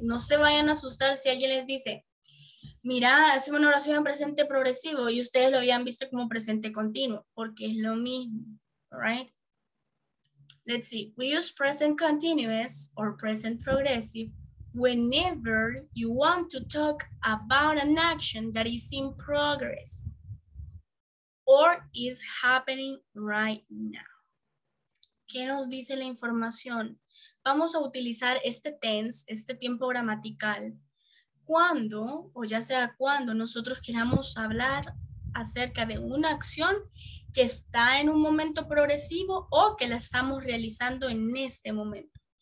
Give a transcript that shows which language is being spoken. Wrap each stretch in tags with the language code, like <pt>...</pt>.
<es>No se vayan a asustar si alguien les dice, mira, hace una oración en presente progresivo y ustedes lo habían visto como presente continuo, porque es lo mismo, right?</es> <en>Let's see, we use present continuous or present progressive whenever you want to talk about an action that is in progress or is happening right now.</en> <es>¿Qué nos dice la información? Vamos a utilizar este tense, este tiempo gramatical, cuando, o ya sea cuando, nosotros queramos hablar acerca de una acción que está en un momento progresivo o que la estamos realizando en este momento.</es>